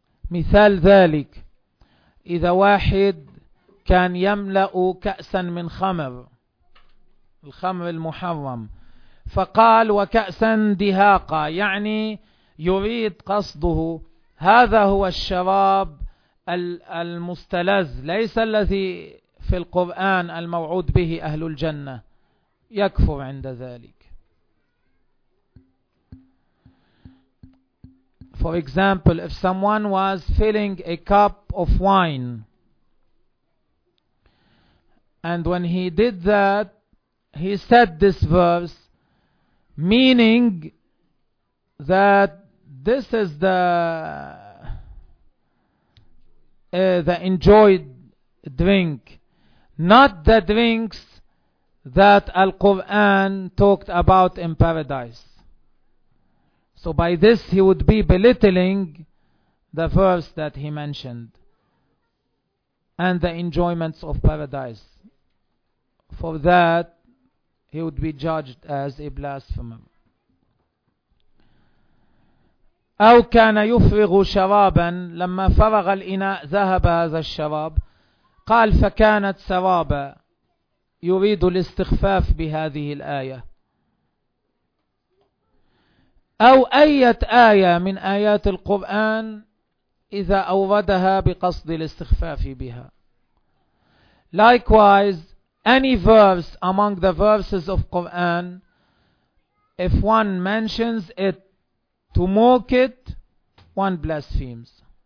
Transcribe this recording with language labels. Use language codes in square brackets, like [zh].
[ar] مثال ذلك: إذا واحد كان يملأ كأسا من خمر, الخمر المحرم, فقال وكأسا دهاقا, يعني يريد قصده هذا هو الشراب المستلذ ليس الذي في القرآن الموعود به أهل الجنة, يكفر عند ذلك. [en] For example, if someone was filling a cup of wine and when he did that he said this verse, meaning that this is the enjoyed drink, not the drinks that Al-Quran talked about in paradise. So by this he would be belittling the verse that he mentioned and the enjoyments of paradise. For that he would be judged as a blasphemer. [ar] أو كان يفرغ شرابا لما فرغ الإناء ذهب هذا الشراب قال فكانت سرابا يريد الاستخفاف بهذه الآية أو أي آية من آيات القرآن إذا أوردها بقصد الاستخفاف بها. [en] Likewise, any verse among the verses of Quran, if one mentions it to mock it, one blasphemes.